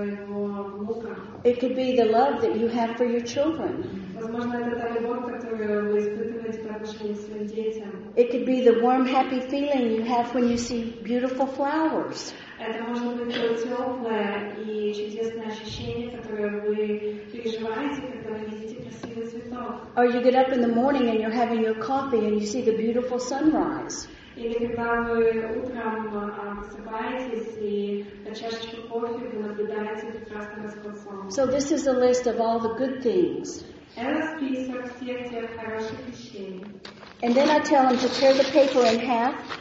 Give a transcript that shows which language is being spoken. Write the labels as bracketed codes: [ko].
[en] It could be the love that you have for your children. It could be the warm, happy feeling you have when you see beautiful flowers. [ru] Это может быть то теплое и чудесное ощущение, которое вы переживаете, когда вы видите красивый цветок. [en] Or you get up in the morning and you're having your coffee and you see the beautiful sunrise. [ru] Или когда вы утром просыпаетесь и на чашечку кофе вы наблюдаете прекрасный восход солнца. [en] So this is a list of all the good things. [ru] Это список всех тех хороших вещей. [en] And then I tell them to tear the paper in half.